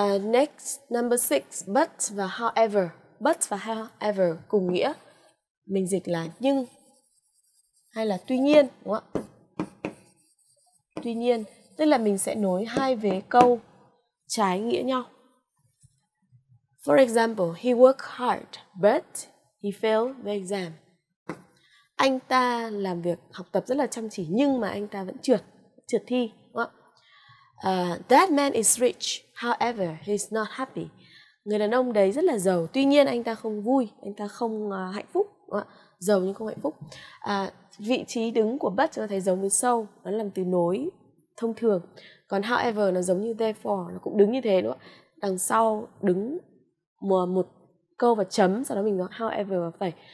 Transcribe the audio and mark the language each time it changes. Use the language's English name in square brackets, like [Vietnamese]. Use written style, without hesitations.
[English] Next number 6, [Vietnamese] but và however. But và however cùng nghĩa, mình dịch là nhưng hay là tuy nhiên, đúng không ạ? Tuy nhiên, tức là mình sẽ nối hai vế câu trái nghĩa nhau. [English] For example, he worked hard, but he failed the exam. [Vietnamese] Anh ta làm việc học tập rất là chăm chỉ, nhưng mà anh ta vẫn trượt thi. Đúng không? [English] That man is rich, however, he's not happy. [Vietnamese] Người đàn ông đấy rất là giàu, tuy nhiên anh ta không vui, anh ta không hạnh phúc. Đúng không? Giàu nhưng không hạnh phúc. Vị trí đứng của but chúng ta thấy giống với so, nó làm từ nối thông thường. Còn however nó giống như therefore, nó cũng đứng như thế, đúng không? Đằng sau đứng một câu và chấm, sau đó mình nói however và phẩy.